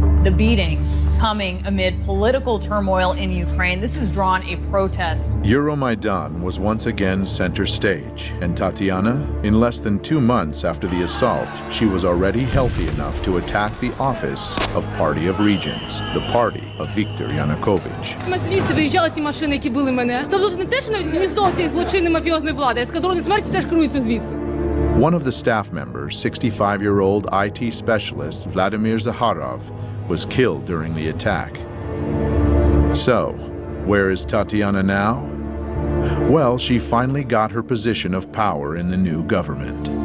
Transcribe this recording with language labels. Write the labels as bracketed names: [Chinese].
[English] The beating coming amid political turmoil in Ukraine. This has drawn a protest. Euromaidan was once again center stage, and Tatiana, in less than 2 months after the assault, she was already healthy enough to attack the office of Party of Regions, the party of Viktor Yanukovych. [Ukrainian] Звідти виїжджали ті машини, які били мене. Тобто не те, що навіть гніздо цієї злочинної мафіозної влади, ескадрони смерті теж керуються звідси. [English] One of the staff members, 65-year-old IT specialist Vladimir Zaharov, was killed during the attack. So, where is Tatiana now? Well, she finally got her position of power in the new government.